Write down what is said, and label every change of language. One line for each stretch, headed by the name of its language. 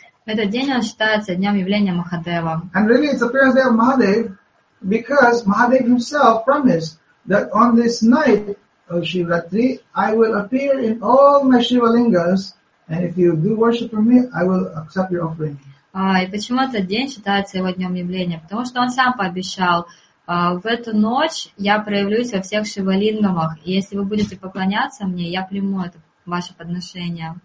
Russian: Этот день, он считается днем явления Махадева.
English: And really, it's appearance day of Mahadev because Mahadev himself promised that on this night of Shivratri, I will appear in all my Shivalingas. And if you do worship for me, I will accept your offering.
Russian: И почему этот день считается его днем явления? Потому что он сам пообещал, в эту ночь я проявлюсь во всех шивалингах, и если вы будете поклоняться мне, я приму это ваше подношение.